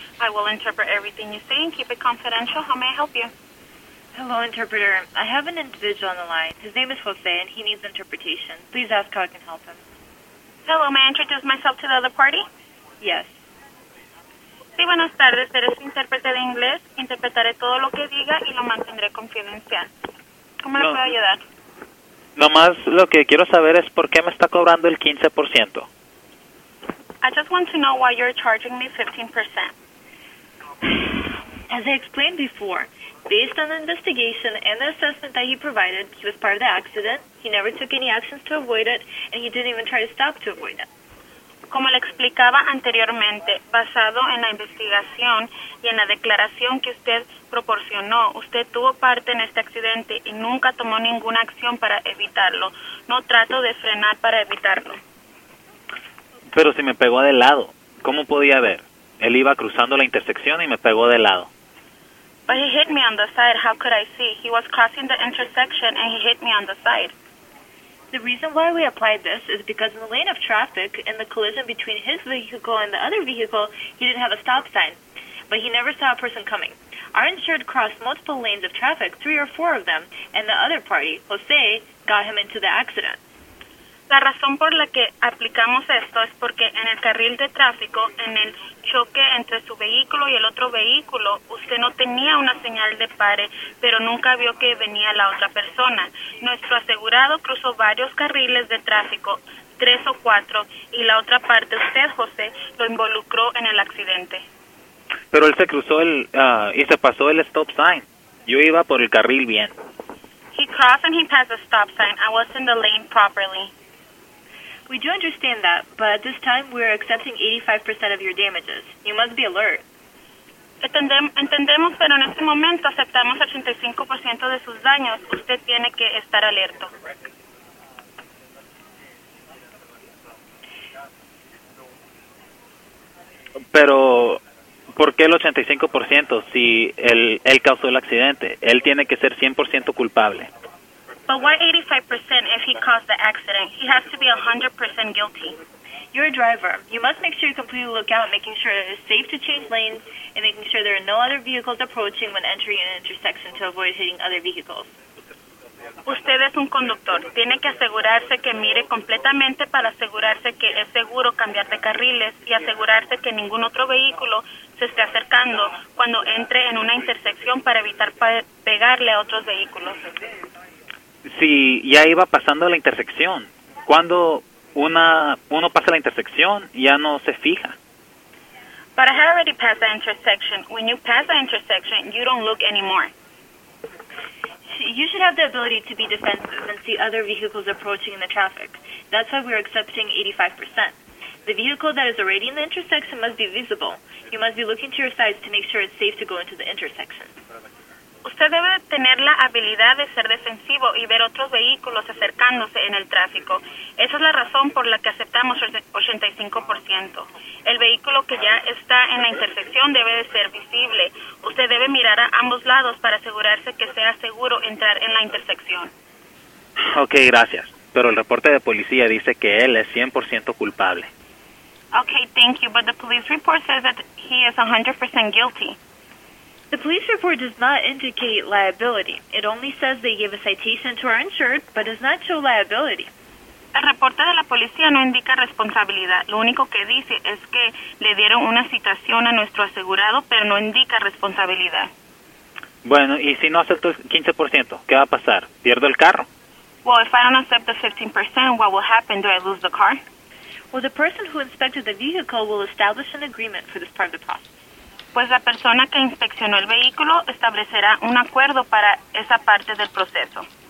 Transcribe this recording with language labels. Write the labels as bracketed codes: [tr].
[en] I will interpret everything you say and keep it confidential. How may I help you? Hello, interpreter. I have an individual on the line. His name is Jose, and he needs interpretation. Please ask how I can help him. Hello, may I introduce myself to the other party? Yes. [es] Sí, buenas tardes. Eres intérprete de inglés. Interpretaré todo lo que diga y lo mantendré confidencial. ¿Cómo le puedo ayudar? Nomás lo que quiero saber es por qué me está cobrando el 15%. [en] I just want to know why you're charging me 15%. As I explained before, based on the investigation and the assessment that he provided, he was part of the accident, he never took any actions to avoid it, and he didn't even try to stop to avoid it. [es] Como le explicaba anteriormente, basado en la investigación y en la declaración que usted proporcionó, usted tuvo parte en este accidente y nunca tomó ninguna acción para evitarlo. No trato de frenar para evitarlo. Pero si me pegó de lado, ¿cómo podía ver? Él iba cruzando la intersección y me pegó de lado. [en] But he hit me on the side. How could I see? He was crossing the intersection and he hit me on the side. The reason why we applied this is because in the lane of traffic, in the collision between his vehicle and the other vehicle, he didn't have a stop sign, but he never saw a person coming. Our insured crossed multiple lanes of traffic, three or four of them, and the other party, Jose, got him into the accident. [es] La razón por la que aplicamos esto es porque en el carril de tráfico, en el choque entre su vehículo y el otro vehículo, usted no tenía una señal de pare, pero nunca vio que venía la otra persona. Nuestro asegurado cruzó varios carriles de tráfico, tres o cuatro, y la otra parte, usted, José, lo involucró en el accidente. Pero él se cruzó el y se pasó el stop sign. Yo iba por el carril bien. [en] He crossed and he passed a stop sign. I was in the lane properly. We do understand that, but at this time, we are accepting 85% of your damages. You must be alert. [es] Entendemos, pero en este momento aceptamos 85% de sus daños. Usted tiene que estar alerta. Pero, ¿por qué el 85% si él causó el accidente? Él tiene que ser 100% culpable. [en] But why 85% if he caused the accident? He has to be 100% guilty. You're a driver. You must make sure you completely look out, making sure it is safe to change lanes and making sure there are no other vehicles approaching when entering an intersection to avoid hitting other vehicles. [es] Usted es un conductor. Tiene que asegurarse que mire completamente para asegurarse que es seguro cambiar de carriles y asegurarse que ningún otro vehículo se esté acercando cuando entre en una intersección para evitar pegarle a otros vehículos. Si ya iba pasando la intersección, cuando uno pasa la intersección, ya no se fija. [en] But I had already passed the intersection. When you pass the intersection, you don't look anymore. You should have the ability to be defensive and see other vehicles approaching in the traffic. That's why we're accepting 85%. The vehicle that is already in the intersection must be visible. You must be looking to your sides to make sure it's safe to go into the intersection. [es] Usted debe tener la habilidad de ser defensivo y ver otros vehículos acercándose en el tráfico. Esa es la razón por la que aceptamos 85%. El vehículo que ya está en la intersección debe de ser visible. Usted debe mirar a ambos lados para asegurarse que sea seguro entrar en la intersección. Ok, gracias. Pero el reporte de policía dice que él es 100% culpable. [en] Ok, thank you. But the police report says that he is 100% guilty. The police report does not indicate liability. It only says they gave a citation to our insured, but does not show liability. [es] El reporte de la policía no indica responsabilidad. Lo único que dice es que le dieron una citación a nuestro asegurado, pero no indica responsabilidad. Bueno, y si no acepto el 15%, ¿qué va a pasar? ¿Pierdo el carro? [en] Well, if I don't accept the 15%, what will happen? Do I lose the car? Well, the person who inspected the vehicle will establish an agreement for this part of the process. [es] Pues la persona que inspeccionó el vehículo establecerá un acuerdo para esa parte del proceso.